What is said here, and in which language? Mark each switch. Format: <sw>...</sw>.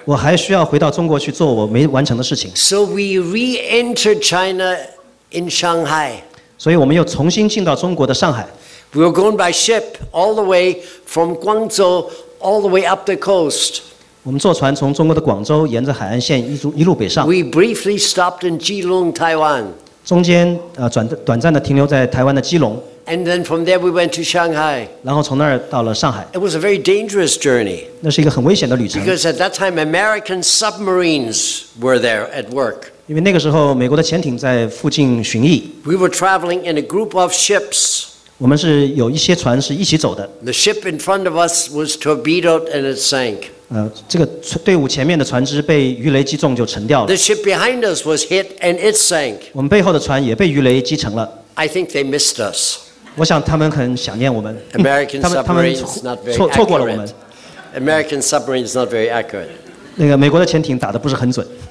<zh>我还需要回到中国去做我没完成的事情。</zh> <en>So we re-entered China in Shanghai.</en> <zh>所以我们又重新进到中国的上海。</zh> <en>We were going by ship all the way from Guangzhou all the way up the coast.</en> <zh>我们坐船从中国的广州沿着海岸线一路北上。</zh> <en>We briefly stopped in Keelung, Taiwan.</en> <zh>中间短暂的停留在台湾的基隆。</zh> <en>And then from there we went to Shanghai.</en> <zh>然后从那儿到了上海。</zh> <en>It was a very dangerous journey.</en> <zh>那是一个很危险的旅程。</zh> <en>Because at that time American submarines were there at work.</en> <zh>因为那个时候美国的潜艇在附近巡弋。</zh> <en>We were traveling in a group of ships.</en> <zh>我们是有一些船是一起走的。</zh> <en>The ship in front of us was torpedoed and it sank.</en> <zh>这个队伍前面的船只被鱼雷击中就沉掉了。</zh> <en>The ship behind us was hit and it sank.</en> <zh>我们背后的船也被鱼雷击沉了。</zh> <en>I think they missed us.</en> <zh>我想他们很想念我们。</zh> <en>American submarines not very accurate.</en> <zh>错过了我们。</zh> <en>American submarines not very accurate.</en> <zh>那个美国的潜艇打得不是很准。</zh>